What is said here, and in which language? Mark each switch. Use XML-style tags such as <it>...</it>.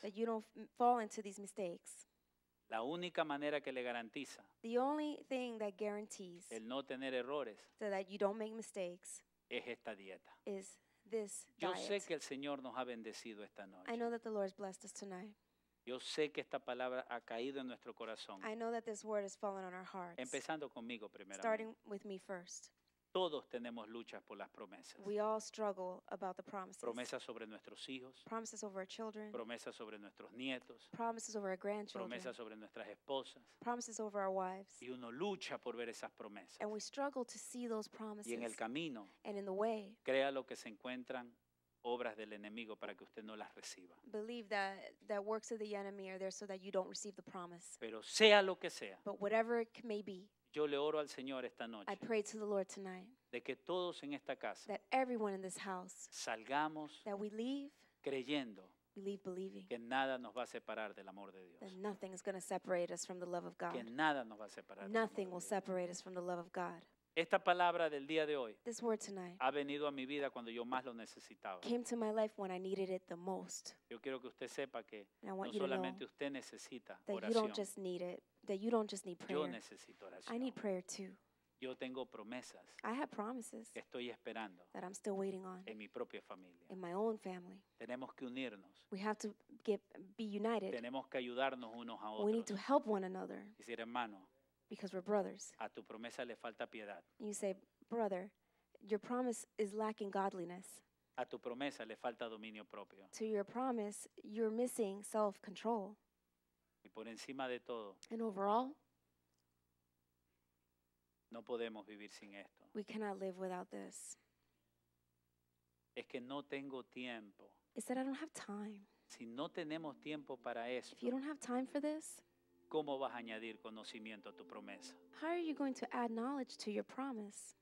<en>That you don't fall into these mistakes.</en> <es>La única manera que le garantiza.</es> <en>The only thing that guarantees.</en> <es>El no tener errores.</es> <en>So that you don't make mistakes.</en> <es>Es esta dieta.</es> <en>Is this diet.</en> <es>Yo sé que el Señor nos ha bendecido esta noche.</es> <en>I know that the Lord has blessed us tonight.</en> <es>Yo sé que esta palabra ha caído en nuestro corazón.</es> <en>I know that this word has fallen on our hearts.</en> <es>Empezando conmigo primero.</es> <en>Starting with me first.</en> <es>Todos tenemos luchas por las promesas.</es> <en>We all struggle about the promises.</en> <es>Promesas sobre nuestros hijos.</es> <en>Promises over our children.</en> <es>Promesas sobre nuestros nietos.</es> <en>Promises over our grandchildren.</en> <es>Promesas sobre nuestras esposas.</es> <en>Promises over our wives.</en> <es>Y uno lucha por ver esas promesas.</es> <en>And we struggle to see those promises.</en> <es>Y en el camino,</es> <en>and in the way,</en> <es>crea lo que se encuentran obras del enemigo para que usted no las reciba.</es> <en>Believe that the works of the enemy are there so that you don't receive the promise.</en> <es>Pero sea lo que sea.</es> <en>But whatever it may be.</en> <es>Yo le oro al Señor esta noche.</es> <en>I pray to the Lord tonight.</en> <es>De que todos en esta casa.</es> <en>That everyone in this house.</en> <es>Salgamos.</es> <en>That we leave.</en> <es>Creyendo.</es> <en>We leave believing.</en> <es>Que nada nos va a separar del amor de Dios.</es> <en>That nothing is going to separate us from the love of God.</en> <es>Que nada nos va a separar.</es> <en>Nothing will separate us from the love of God.</en> <es>Esta palabra del día de hoy.</es> <en>This word tonight.</en> <es>Ha venido a mi vida cuando yo más lo necesitaba.</es> <en>Came to my life when I needed it the most.</en> <es>Yo quiero que usted sepa que no solamente usted necesita oración.</es> <en>That you don't just need it. That you don't just need prayer.</en> <es>Yo necesito oración.</es> <en>I need prayer too.</en> <es>Yo tengo promesas.</es> <en>I have promises.</en> <es>Que estoy esperando.</es> <en>That I'm still waiting on.</en> <es>En mi propia familia.</es> <en>In my own family.</en> <es>Tenemos que unirnos.</es> <en>We have to be united.</en> <es>Tenemos que ayudarnos unos a otros.</es> <en>We need to help one another.</en> <es>Y si eres hermano.</es> <en>Because we're brothers.</en> <es>A tu promesa le falta piedad.</es> <en>You say, brother, your promise is lacking godliness.</en> <es>A tu promesa le falta dominio propio.</es> <en>To your promise, you're missing self-control.</en> <es>Y por encima de todo,</es> <en>and overall,</en> <es>no podemos vivir sin esto.</es> <en>We cannot live without this.</en> <es>Es que no tengo tiempo.</es> <en>It's that I don't have time.</en> <es>Si no tenemos tiempo para esto,</es> <en>if you don't have time for this,</en> <es>¿cómo vas a añadir conocimiento a tu promesa?</es> <en>How are you going to add knowledge to your promise?</en>